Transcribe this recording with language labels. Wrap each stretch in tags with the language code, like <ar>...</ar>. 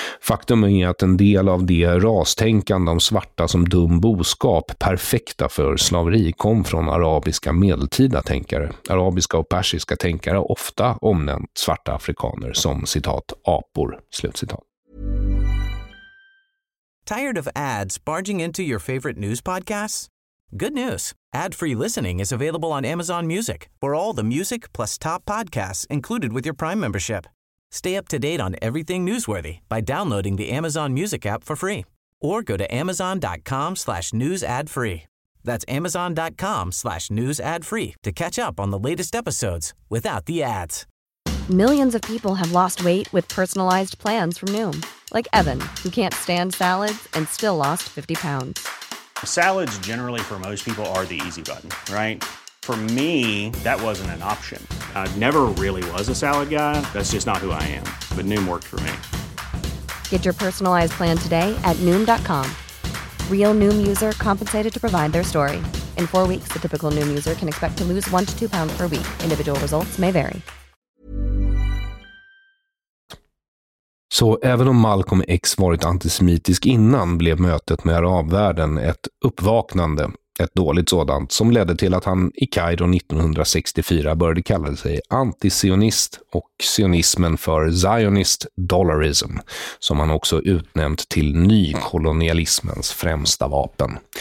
<sv>Faktum är att en del av det rastänkande om svarta som dum boskap perfekta för slaveri kom från arabiska medeltida tänkare. Arabiska och persiska tänkare ofta omnämnt svarta afrikaner som citat apor. Slutcitat.</sv> <en>Tired of ads barging into your favorite news podcasts? Good news. Ad-free listening is available on Amazon Music for all the music plus top podcasts included with your Prime membership. Stay up to date on everything newsworthy by downloading the Amazon Music app for free or go to amazon.com/newsadfree. That's amazon.com/newsadfree to catch up on the latest episodes without the ads. Millions of people have lost weight with personalized plans from Noom, like Evan, who can't stand salads and still lost 50 pounds. Salads, generally for most people, are the easy button, right? For me, that wasn't an option. I never really was a salad guy. That's just not who I am. But Noom worked for me. Get your personalized plan today at Noom.com. Real Noom user compensated to provide their story. In 4 weeks, the typical Noom user can expect to lose 1 to 2 pounds per week. Individual results may vary.</en> <sv>Så även om Malcolm X varit antisemitisk innan blev mötet med arabvärlden ett uppvaknande, ett dåligt sådant, som ledde till att han i Kairo 1964 började kalla sig antisionist och sionismen för Zionist Dollarism, som han också utnämnt till nykolonialismens främsta vapen.</sv>